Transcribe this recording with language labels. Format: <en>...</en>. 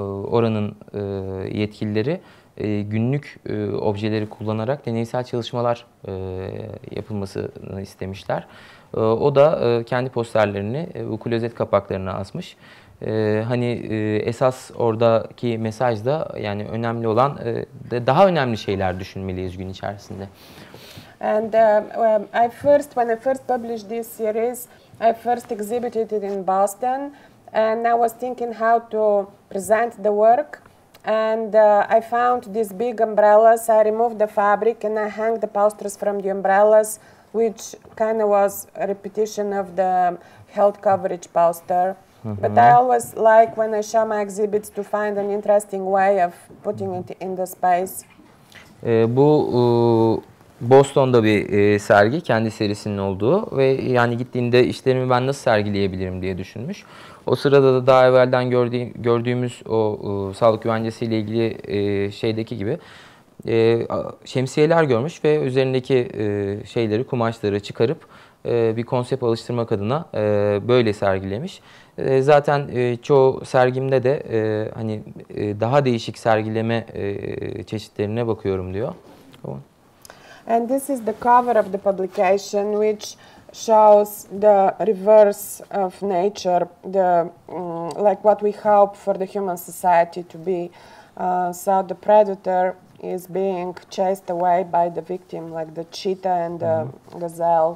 <tr>Oranın yetkilileri günlük objeleri kullanarak deneysel çalışmalar yapılmasını istemişler. O da kendi posterlerini bu klozet kapaklarına asmış. Hani esas oradaki mesaj da, yani önemli olan daha önemli şeyler düşünmeliyiz gün içerisinde.</tr> <en>And when I first published this series, I first exhibited it in Boston. And I was thinking how to present the work, and I found these big umbrellas. I removed the fabric and I hung the posters from the umbrellas, which kind of was a repetition of the health coverage poster. Mm-hmm. But I always like, when I show my exhibits, to find an interesting way of putting it in the space.</en> <tr>Bu Boston'da bir sergi, kendi serisinin olduğu ve yani gittiğinde işlerimi ben nasıl sergileyebilirim diye düşünmüş. O sırada da daha evvelden gördüğümüz o sağlık güvencesiyle ilgili şeydeki gibi şemsiyeler görmüş ve üzerindeki şeyleri, kumaşları çıkarıp bir konsept alıştırmak adına böyle sergilemiş. Zaten çoğu sergimde de hani daha değişik sergileme çeşitlerine bakıyorum diyor.</tr> <en>And this is the cover of the publication, which shows the reverse of nature, the like what we hope for the human society to be. So the predator is being chased away by the victim, like the cheetah and the mm-hmm. gazelle.</en>